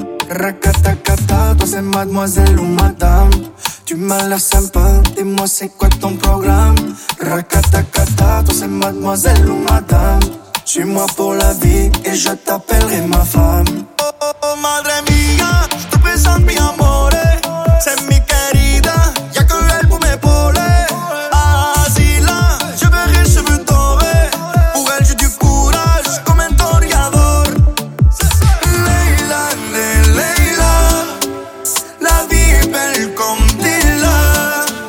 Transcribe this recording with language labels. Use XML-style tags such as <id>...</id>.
<fr>Rakatakata, toi c'est mademoiselle ou madame. Tu m'as l'air sympa, dis-moi c'est quoi ton programme. Rakatakata, toi c'est mademoiselle ou madame. Chez moi pour la vie et je t'appellerai ma femme.</fr> <es>Oh oh oh, madre mía, estoy pensando mi amor.</es> <fr>C'est</fr> <es>mi querida,</es> <fr>y'a que elle pour m'épauler. Asila, je verrai ce but tomber. Pour elle, j'ai du courage comme un toriador. Leila, Leila, la vie est belle comme Dila.</fr>